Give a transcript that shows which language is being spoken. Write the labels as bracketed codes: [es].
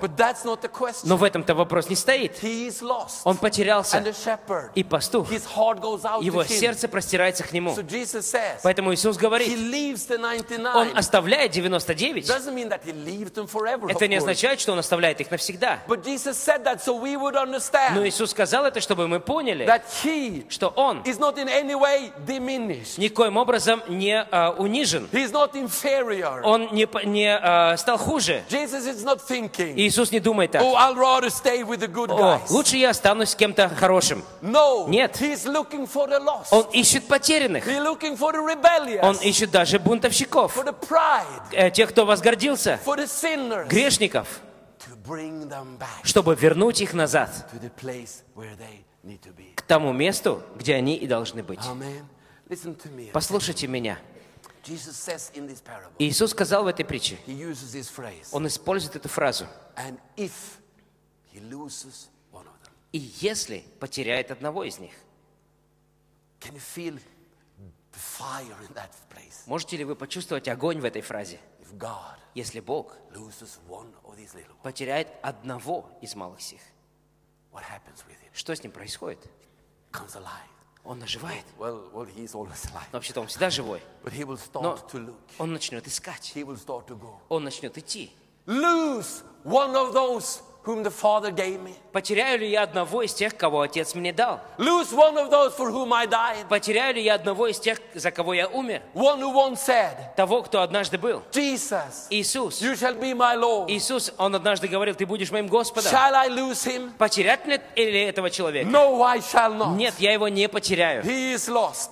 [en] But that's not the question. [ru] Но в этом-то вопрос не стоит. [en] He is lost. [ru] Он потерялся. [en] And the shepherd, [ru] и пастух. [en] His heart goes out [ru] его [en] to him. [ru] Сердце простирается к нему. [en] So Jesus says, [ru] поэтому Иисус говорит, [en] he leaves the 99. [ru] Он оставляет 99. [en] Doesn't mean that he leaves them forever, [ru] это не означает, что Он оставляет их навсегда. [en] But Jesus said that, so we would understand, [ru] но Иисус сказал это, чтобы мы поняли, [en] that he, [ru] что Он [en] is not in any way diminished. [ru] Никоим образом не унижен. [en] He is not inferior. [ru] Он не стал хуже. [en] Jesus is not thinking, [ru] Иисус не думает так. [en] Oh, I'll rather stay with the [ru] о, лучше я останусь с кем-то хорошим. [en] No, [ru] нет. [en] He's looking for the lost. [ru] Он ищет потерянных. [en] He's looking for the rebellious. [ru] Он ищет даже бунтовщиков. [en] For the pride. [ru] Тех, кто возгордился. [en] For the sinners. [ru] Грешников. [en] To bring them back. [ru] Чтобы вернуть их назад. [en] To the place where they need to be. [ru] К тому месту, где они и должны быть. [en] Amen. Listen to me. [ru] Послушайте меня. [en] Jesus says in this parable, [ru] Иисус сказал в этой притче. [en] He uses this phrase. [ru] Он использует эту фразу. [en] And if he loses one of them. [ru] И если потеряет одного из них. [en] Can you feel the fire in that place? [ru] Можете ли вы почувствовать огонь в этой фразе? [en] If God, [ru] если Бог [en] loses one of these little ones, [ru] потеряет одного из малых сих, [en] what happens with him? [ru] Что с ним происходит? [en] Comes alive. [ru] Он оживает. [en] Well, he is always alive. [ru] Но вообще-то он всегда живой. [en] But he will start [ru] но [en] to look. [ru] Он начнет искать. [en] He will start to go. [ru] Он начнет идти. [en] Lose one of those whom the Father gave me. [ru] Потеряю ли я одного из тех, кого Отец мне дал? [en] Lose one of those for whom I died. [ru] Потеряю ли я одного из тех, за кого я умер? [en] One who once said, [ru] того, кто однажды был. [en] Jesus, [ru] Иисус, [en] you shall be my Lord. [ru] Иисус, он однажды говорил, ты будешь моим Господом. [en] Shall I lose him? [ru] Потерять ли этого человека? [en] No, I shall not. [ru] Нет, я его не потеряю. [en] He is lost.